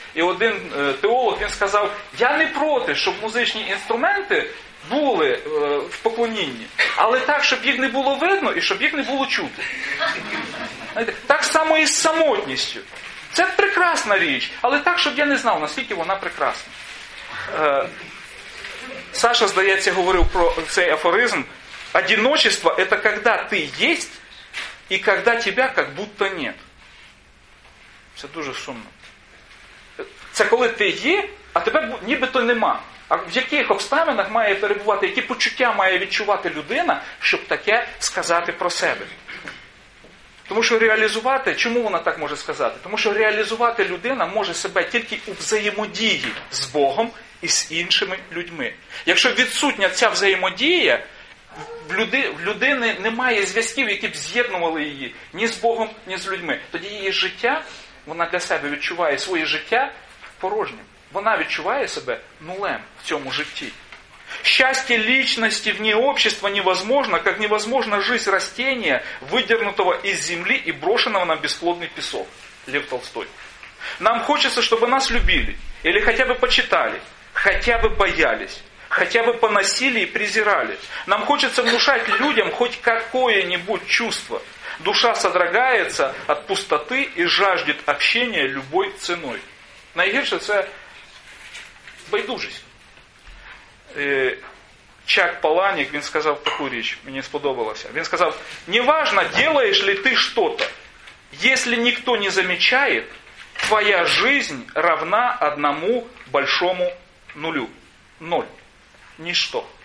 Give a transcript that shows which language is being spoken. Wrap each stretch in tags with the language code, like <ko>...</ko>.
<uk>І один теолог, він сказав, я не проти, щоб музичні інструменти були в поклонінні, але так, щоб їх не було видно і щоб їх не було чути. Так само і з самотністю. Це прекрасна річ, але так, щоб я не знав, наскільки вона прекрасна. Саша, здається, говорив про цей афоризм.</uk> <ru>Одиночество – это когда ты есть и когда тебя как будто нет.</ru> <uk>Це дуже сумно. Це коли ти є, а тебе нібито нема. А в яких обставинах має перебувати, які почуття має відчувати людина, щоб таке сказати про себе? Тому що реалізувати, чому вона так може сказати? Тому що реалізувати людина може себе тільки у взаємодії з Богом і з іншими людьми. Якщо відсутня ця взаємодія, в людини немає зв'язків, які б з'єднували її ні з Богом, ні з людьми. Тоді її життя, вона для себе відчуває своє життя порожнім. Вона відчуває себе нулем в цьому житті.</uk> <ru>Щастя личності вне общества невозможно, как невозможна жизнь растения, выдернутого из земли и брошенного на бесплодный песок. Лев Толстой. Нам хочется, чтобы нас любили, или хотя бы почитали, хотя бы боялись, хотя бы поносили и презирали. Нам хочется внушать людям хоть какое-нибудь чувство. Душа содрогается от пустоты и жаждет общения любой ценой.</ru> <uk>Найгірше це байдужість. Чак Паланик, він сказав таку річ, мені сподобалося. Він сказав,</uk> <ru>неважно, делаєш ли ти что-то, если ніхто не замечає, твоя жизнь равна одному большому нулю. Ноль.</ru> <uk>Ніщо.</uk>